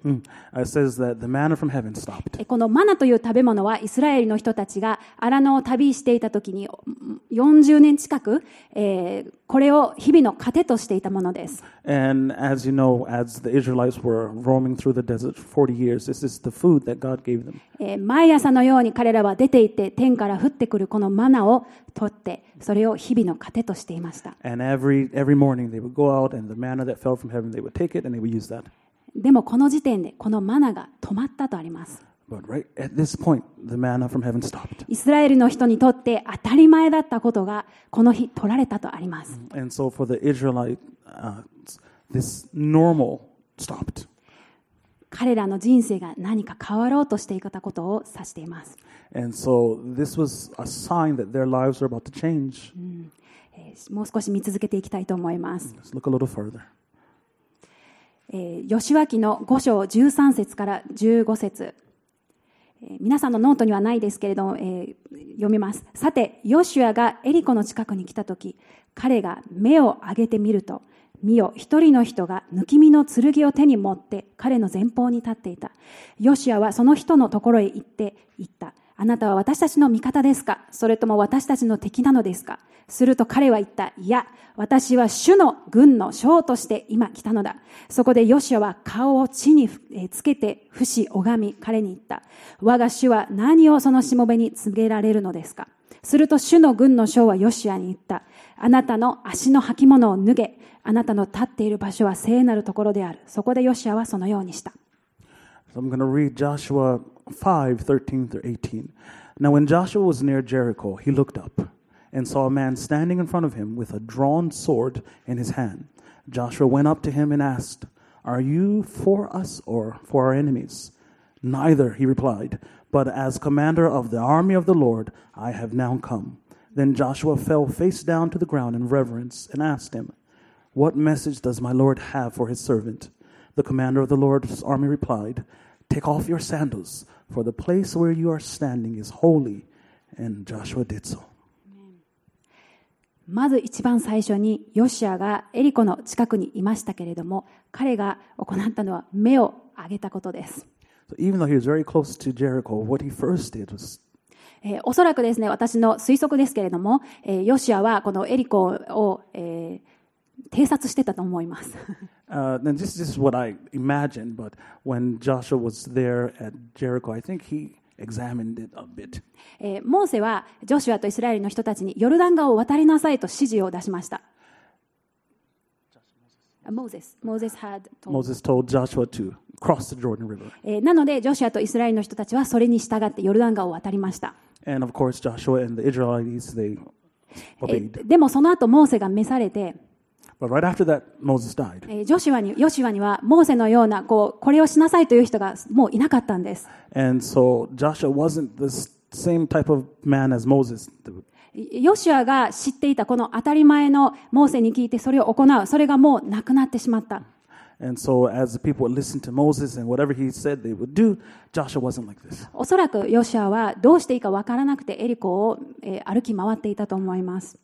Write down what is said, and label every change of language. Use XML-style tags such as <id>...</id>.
<en>It says that the manna from heaven stopped.</en> <ja>このマナという食べ物はイスラエルの人たちがアラノを旅していた時に40年近く、これを日々の糧としていたものです。</ja> <en>And as you know, as the Israelites were roaming through the desert for 40 years, this is the food that God gave them.</en> <ja>毎朝のように彼らは出て行って天から降ってくるこのマナを取って、それを日々の糧としていました。</ja> <en>And every morning they would go out and the manna that fell from heaven, they would take it and they would use that.</en> <ja>でもこの時点でこのマナが止まったとあります。</ja> <en>But right at this point, the manna from heaven stopped.</en> <ja>イスラエルの人にとって当たり前だったことがこの日取られたとあります。</ja> <en>And so for the Israelites, this normal stopped.</en> <ja>彼らの人生が何か変わろうとしていたことを指しています。</ja> <en>And so this was a sign that their lives were about to change.</en> <ja>もう少し見続けていきたいと思います。</ja> <en>Let's look a little further.</en> <ja>ヨシュア記の5章13節から15節。皆さんのノートにはないですけれども、読みます。さてヨシュアがエリコの近くに来たとき、彼が目を上げてみると、見よ、一人の人が抜き身の剣を手に持って彼の前方に立っていた。ヨシュアはその人のところへ行って言った。あなたは私たちの味方ですか、それとも私たちの敵なのですか。すると彼は言った。いや、私は主の軍の将として今来たのだ。そこでヨシュアは顔を地につけて伏し拝み、彼に言った。我が主は何をそのしもべに告げられるのですか。すると主の軍の将はヨシュアに言った。あなたの足の履物を脱げ。あなたの立っている場所は聖なるところである。そこでヨシュアはそのようにした。</ja> <en>So I'm going to read Joshua 5:13-18. Now when Joshua was near Jericho, he looked up and saw a man standing in front of him with a drawn sword in his hand. Joshua went up to him and asked, Are you for us or for our enemies? Neither, he replied, but as commander of the army of the Lord, I have now come. Then Joshua fell face down to the ground in reverence and asked him, What message does my Lord have for his servant? The commander of the Lord's army replied, Take off your sandals, for the place where you are standing is holy. And Joshua did so.</en> <ja>まず一番最初にヨシアがエリコの近くにいましたけれども、彼が行ったのは目を上げたことです。</ja> <en>So even though he was very close to Jericho, what he first did was...</en> <ja>おそらくですね、私の推測ですけれども、ヨシアはこのエリコを、偵察してたと思います。</ja> <en>This is what I imagine, but when Joshua was there at Jericho, I think he examined it a bit.</en> <ja>モーセはジョシュアとイスラエルの人たちにヨルダン川を渡りなさいと指示を出しました。</ja> <en>Moses told Joshua to cross the Jordan River.</en> <ja>なのでジョシュアとイスラエルの人たちはそれに従ってヨルダン川を渡りました。</ja> <en>And of course, Joshua and the Israelites they obeyed.</en> <ja>でもその後モーセが召されて。</ja> <en>But right after that, Moses died.</en> <ja>ヨシュアにはモーセのようなこうこれをしなさいという人がもういなかったんです。</ja> <en>And so Joshua wasn't the same type of man as Moses.</en> <ja>ヨシュアが知っていたこの当たり前のモーセに聞いてそれを行う、それがもうなくなってしまった。</ja> <en>And so as the people would listen to Moses and whatever he said they would do, Joshua wasn't like this.</en> <ja>おそらくヨシュアはどうしていいかわからなくてエリコを歩き回っていたと思います。</ja>